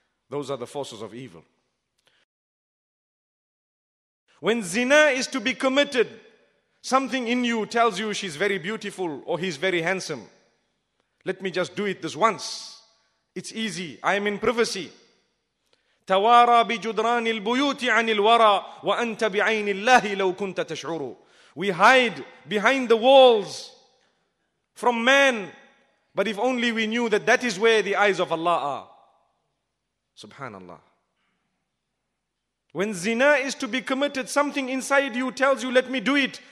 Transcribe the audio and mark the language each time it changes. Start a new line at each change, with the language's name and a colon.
English: Those are the forces of evil. When zina is to be committed, something in you tells you she's very beautiful or he's very handsome. Let me just do it this once. It's easy. I am in privacy.
Arabic: توارى بجدران البيوت عن الورى وأنت بعين الله لو كنت تشعر.
English: We hide behind the walls from man, but if only we knew that that is where the eyes of Allah are. Subhanallah. When zina is to be committed, something inside you tells you, let me do it.